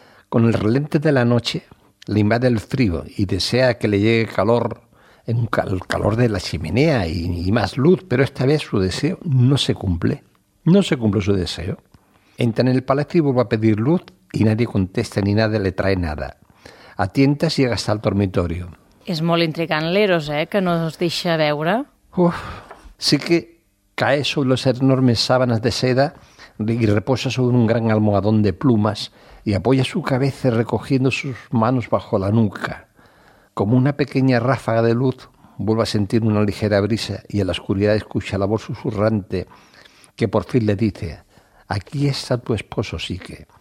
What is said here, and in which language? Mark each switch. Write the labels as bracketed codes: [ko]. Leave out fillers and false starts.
[es] Con el relente de la noche le invade el frío y desea que le llegue calor, el calor de la chimenea y más luz, pero esta vez su deseo no se cumple. No se cumple su deseo. Entra en el palacio y vuelve a pedir luz y nadie contesta ni nadie le trae nada. A tientes llega hasta el dormitorio. [ca] És molt intrigant l'Eros, que no es deixa veure. Uf. [es] Sí que cae sobre las enormes sábanas de seda y reposa sobre un gran almohadón de plumas y apoya su cabeza recogiendo sus manos bajo la nuca. Como una pequeña ráfaga de luz, vuelve a sentir una ligera brisa y en la oscuridad escucha la voz susurrante que por fin le dice: aquí está tu esposo, Sique.